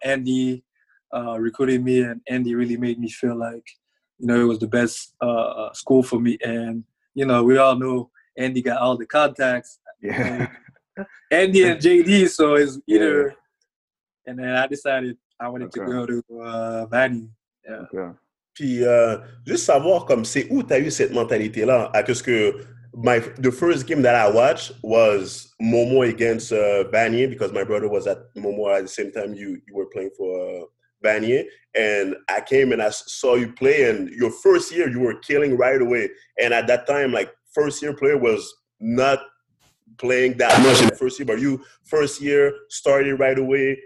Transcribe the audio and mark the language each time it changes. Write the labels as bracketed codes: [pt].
[en] Andy recruited me, and Andy really made me feel like, you know, it was the best school for me. And, you know, we all know Andy got all the contacts. Yeah. Andy and JD, so it's either. Yeah. And then I decided I wanted to go to Vanier. Yeah. Okay. [fr] Puis, juste savoir, comme c'est où tu as eu cette mentalité-là? Parce que [en] the first game that I watched was Momo against Vanier, because my brother was at Momo at the same time you were playing for Vanier, and I came and I saw you play, and your first year you were killing right away. And at that time, like, first year player was not playing that much in the first year, but you first year started right away.